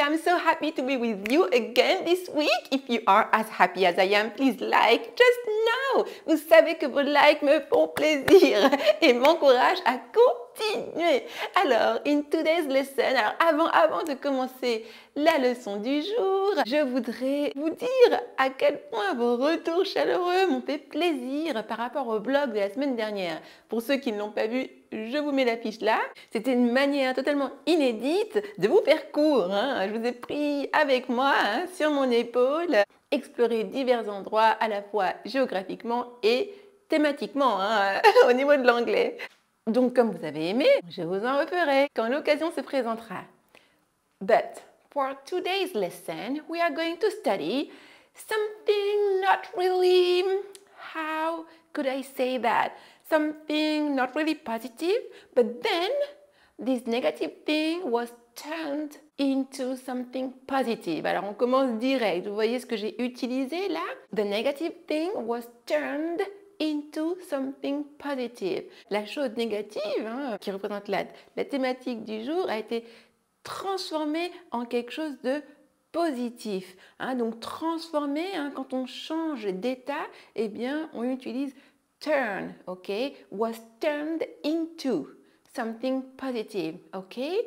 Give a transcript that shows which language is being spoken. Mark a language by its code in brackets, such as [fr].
[en] I'm so happy to be with you again this week. If you are as happy as I am, please like just now. [fr] Vous savez que vos likes me font plaisir et m'encouragent à continuer. Alors, [en] in today's lesson, [fr] alors avant de commencer la leçon du jour, je voudrais vous dire à quel point vos retours chaleureux m'ont fait plaisir par rapport au blog de la semaine dernière. Pour ceux qui ne l'ont pas vu, je vous mets la fiche là. C'était une manière totalement inédite de vous faire court. Hein. Je vous ai pris avec moi, hein, sur mon épaule, explorer divers endroits à la fois géographiquement et thématiquement, hein, au niveau de l'anglais. Donc comme vous avez aimé, je vous en referai quand l'occasion se présentera. [en] But for today's lesson, we are going to study something not really... How could I say that? Something not really positive, but then this negative thing was turned into something positive. [fr] Alors on commence direct. Vous voyez ce que j'ai utilisé là? [en] The negative thing was turned into something positive. [fr] La chose négative, hein, qui représente la thématique du jour, a été transformée en quelque chose de positif. Hein, donc transformer, hein, quand on change d'état, eh bien on utilise turn, ok? [en] Was turned into something positive, ok?